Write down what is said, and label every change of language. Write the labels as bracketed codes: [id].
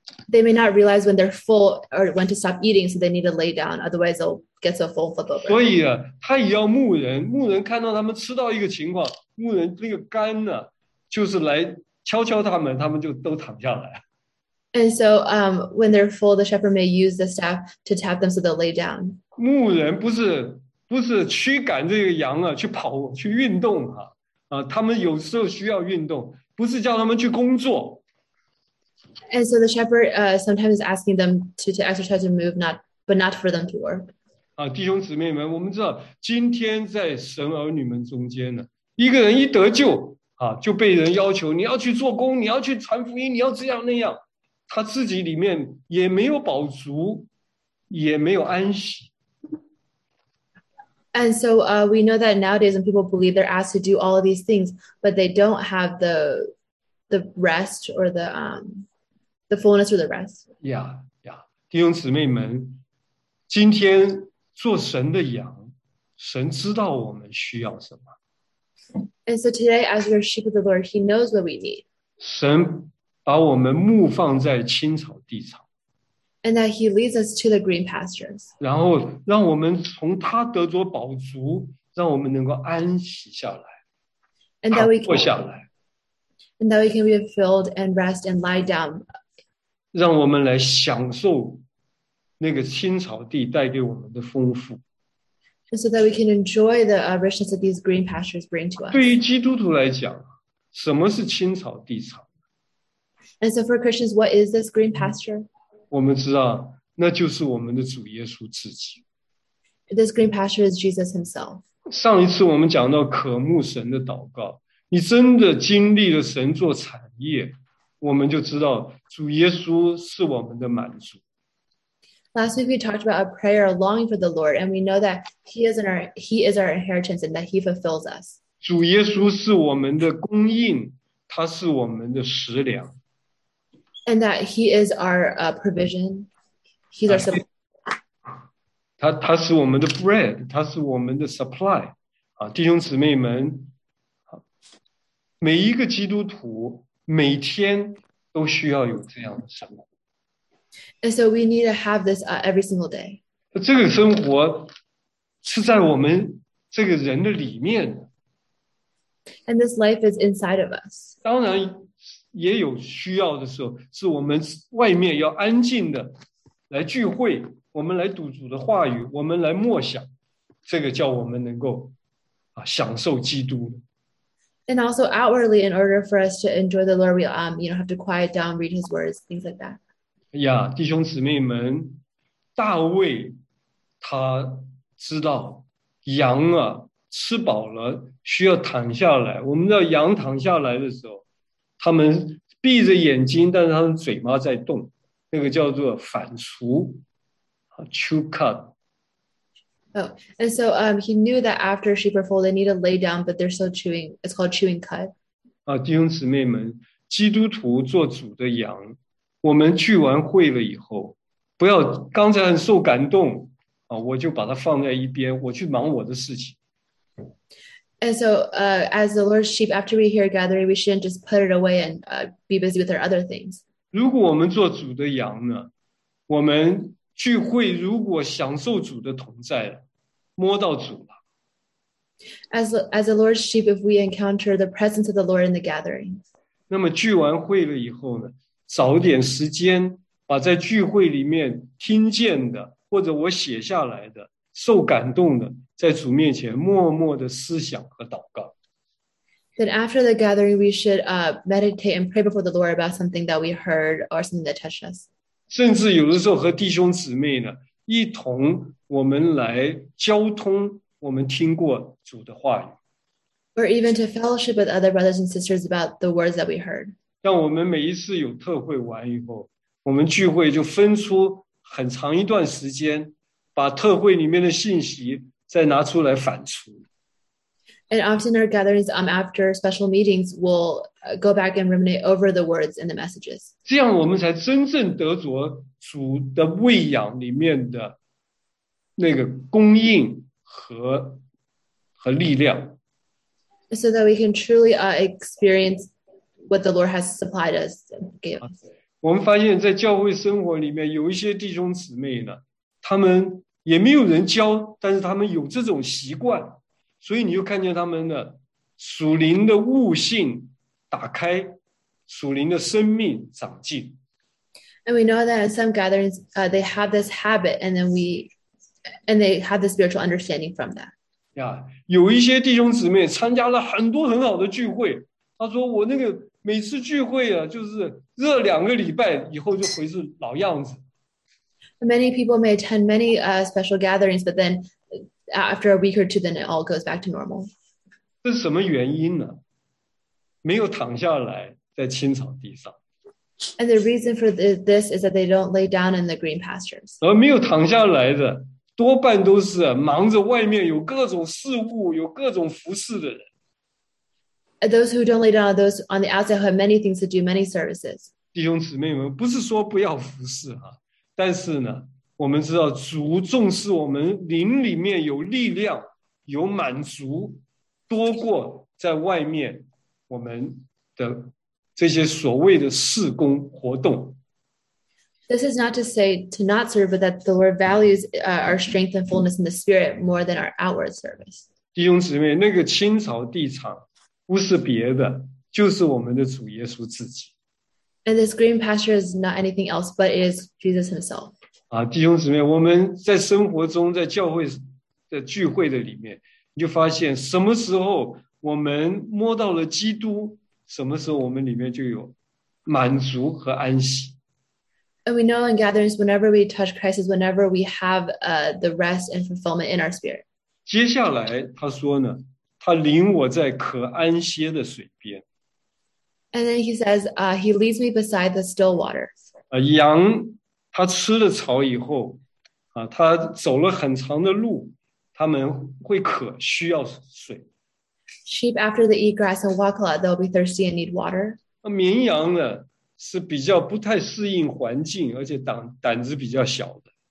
[en] They may not realize when they're full or when to stop eating, so they need to lay down. Otherwise, they'll get so full, flip over. [zh] 所以啊，他也要牧人。牧人看到他们吃到一个情况，牧人那个肝呢，就是来敲敲他们，他们就都躺下来。 [en] And so, when they're full, the shepherd may use the staff to tap them so they'll lay down. [zh] 牧人不是驱赶这个羊啊，去跑去运动啊，他们有时候需要运动，不是叫他们去工作。 [en] And so the shepherd sometimes is asking them to exercise and move, but not for them to work. [zh] 弟兄姊妹们，我们知道今天在神儿女们中间呢，一个人一得救啊，就被人要求你要去做工，你要去传福音，你要这样那样。他自己里面也没有饱足，也没有安息。 [en] And so we know that nowadays when people believe they're asked to do all of these things, but they don't have the rest or the fullness or the rest. Yeah, yeah. [zh] 弟兄姊妹们，今天做神的羊，神知道我们需要什么。 [en] And so today, as your sheep of the Lord, he knows what we need. [zh] 神把我们牧放在青草地场。 [en] And that he leads us to the green pastures. [zh] 然后让我们从他得着饱足，让我们能够安息下来。 [en] And that we can, [zh] 躺卧下来。 [en] And that we can be filled and rest and lie down. [zh] 让我们来享受那个青草地带给我们的丰富。 [en] And so that we can enjoy the richness that these green pastures bring to us. [zh] 对于基督徒来讲，什么是青草地场？ [en] And so for Christians, what is this green pasture? [zh] 我们知道，那就是我们的主耶稣自己。 [en] This green pasture is Jesus himself. [zh] 上一次我们讲到渴慕神的祷告，你真的经历了神做产业，我们就知道主耶稣是我们的满足。 [en] Last week we talked about a prayer, a longing for the Lord, and we know that he is our inheritance and that he fulfills us. [zh] 主耶稣是我们的供应，他是我们的食粮。 [en] And that he is our provision. He's our supply. [zh] 他是我们的 [en] bread. [zh] 他是我们的 [en] supply. [zh] 弟兄姊妹们，每一个基督徒每天都需要有这样的生活。 [en] And so we need to have this every single day. [zh] 这个生活是在我们这个人的里面。 [en] And this life is inside of us. [zh] 当然也有需要的时候，是我们外面要安静的来聚会，我们来读主的话语，我们来默想，这个叫我们能够享受基督。 [en] And also outwardly, in order for us to enjoy the Lord, we you know, have to quiet down, read his words, things like that. [zh] 呀，弟兄姊妹们，大卫他知道羊啊吃饱了需要躺下来。我们知道羊躺下来的时候，他们闭着眼睛，但是他们嘴巴在动，那个叫做反刍 ， [en] chew cud。 Oh, and so he knew that after sheep are full, they need to lay down, but they're still chewing. It's called chewing cud. [zh] 啊，弟兄姊妹们，基督徒做主的羊。我们聚完会了以后，不要刚才很受感动啊，我就把它放在一边，我去忙我的事情。 [en] And so, as the Lord's sheep, after we hear a gathering, we shouldn't just put it away and be busy with our other things. [zh] 如果我们做主的羊呢，我们聚会如果享受主的同在了，摸到主了。 [en] As the Lord's sheep, if we encounter the presence of the Lord in the gathering, [zh] 那么聚完会了以后呢？找点时间把在聚会里面听见的或者我写下来的受感动的在主面前默默的思想和祷告。 [en] Then after the gathering, we should meditate and pray before the Lord about something that we heard or something that touched us. [zh] 甚至有的时候和弟兄姊妹呢一同我们来交通我们听过主的话语。 [en] Or even to fellowship with other brothers and sisters about the words that we heard. [zh] 像我们每一次有特会完以后，我们聚会就分出很长一段时间，把特会里面的信息再拿出来反刍。 [en] And often our gatherings, after special meetings, will go back and ruminate over the words and the messages. [zh] 这样我们才真正得着主的喂养里面的那个供应和力量。 [en] So that we can truly experience. What the Lord has supplied us, gave us. [zh] 我们发现，在教会生活里面，有一些弟兄姊妹呢，他们也没有人教，但是他们有这种习惯，所以你就看见他们的属灵的悟性打开，属灵的生命长进。 [en] And we know that in some gatherings, they have this habit, and they have the spiritual understanding from that. Yeah, [zh] 有一些弟兄姊妹参加了很多很好的聚会。他说我那个每次聚会啊就是热两个礼拜以后就回是老样子。 [en] Many people may attend many special gatherings, but then after a week or two, then it all goes back to normal. [zh] 这是什么原因呢？没有躺下来在青草地上。 [en] And the reason for this is that they don't lay down in the green pastures. [zh] 而没有躺下来的多半都是忙着外面有各种事物有各种服侍的人。 [en] Those who don't lay down, those on the outside who have many things to do, many services. [zh] 弟兄姊妹们，不是说不要服侍啊，但是呢，我们知道主重视我们灵里面有力量、有满足，多过在外面我们的这些所谓的事工活动。 [en] This is not to say to not serve, but that the Lord values our strength and fullness in the Spirit more than our outward service. [zh] 弟兄姊妹，那个青草地场。不是别的，就是我们的主耶稣自己。 [en] And this green pasture is not anything else, but it is Jesus himself. [zh] 啊，弟兄姊妹，我们在生活中，在教会的聚会的里面，你就发现什么时候我们摸到了基督，什么时候我们里面就有满足和安息。 [en] And we know in gatherings, whenever we touch Christ, is whenever we have the rest and fulfillment in our spirit. [zh] 接下来他说呢？他领我在可安歇的水边。 [en] And then he says, he leads me beside the still water. [zh] 羊他吃了草以后，他走了很长的路，他们会渴，需要水。 [en] Sheep after they eat grass and walk a lot, they'll be thirsty and need water. [zh] 绵羊呢，是比较不太适应环境，而且胆子比较小的。